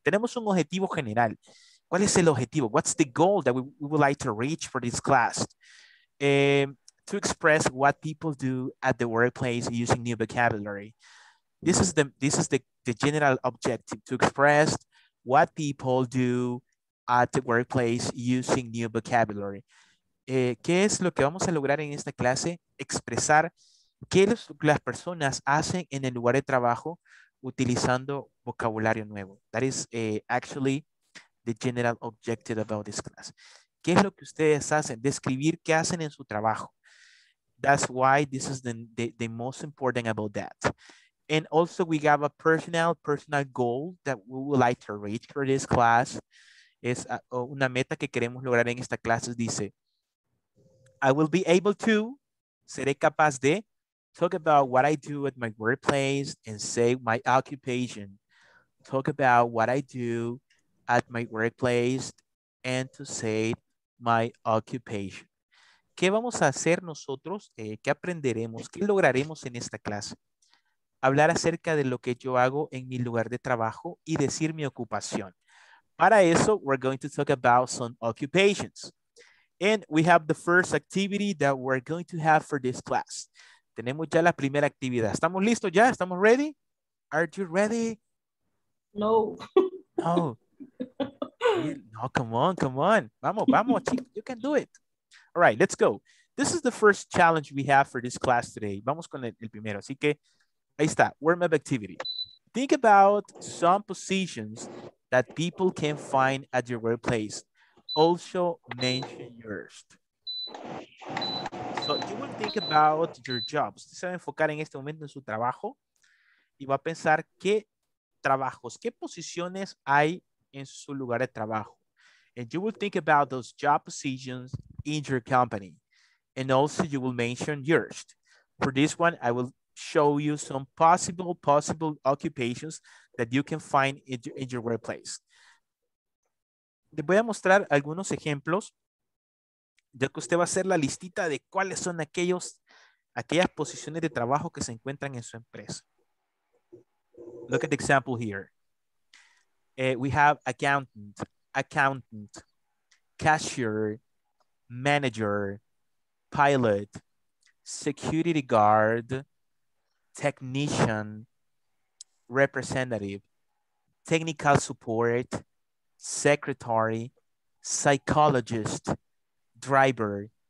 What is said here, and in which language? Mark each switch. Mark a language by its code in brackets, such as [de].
[es] Tenemos un objetivo general. ¿Cuál es el objetivo? [en] What's the goal that we would like to reach for this class? To express what people do at the workplace using new vocabulary. This is the general objective, to express what people do at the workplace using new vocabulary. [es] ¿Qué es lo que vamos a lograr en esta clase? Expresar qué las personas hacen en el lugar de trabajo utilizando vocabulario nuevo. [en] That is actually the general objective about this class. [es] ¿Qué es lo que ustedes hacen? Describir qué hacen en su trabajo. [en] That's why this is the most important about that. And also we have a personal goal that we would like to reach for this class. [es] Es una meta que queremos lograr en esta clase. [en] Dice, I will be able to, [es] seré capaz de, [en] talk about what I do at my workplace and say my occupation. Talk about what I do at my workplace and to say my occupation. [es] ¿Qué vamos a hacer nosotros? ¿Qué aprenderemos? ¿Qué lograremos en esta clase? Hablar acerca de lo que yo hago en mi lugar de trabajo y decir mi ocupación. Para eso, [en] we're going to talk about some occupations. And we have the first activity that we're going to have for this class. [es] Tenemos ya la primera actividad. ¿Estamos listos ya? ¿Estamos ready? [en] Are you ready? No. No. No, come on, come on. [es] Vamos, vamos, chicos. [en] You can do it. All right, let's go. This is the first challenge we have for this class today. [es] Vamos con el primero. Así que ahí está, [en] warm up activity. Think about some positions that people can find at your workplace. Also mention yours. So you will think about your jobs. [es] Usted se va a enfocar en este momento en su trabajo y va a pensar qué trabajos, qué posiciones hay en su lugar de trabajo. [en] And you will think about those job positions in your company. And also you will mention yours. For this one, I will show you some possible occupations that you can find in your workplace. [es] Te voy a mostrar algunos ejemplos, ya que usted va a hacer la listita de cuáles son aquellas posiciones de trabajo que se encuentran en su empresa. [en] Look at the example here. We have accountant, cashier, manager, pilot, security guard, technician, representative, technical support, secretary, psychologist, driver.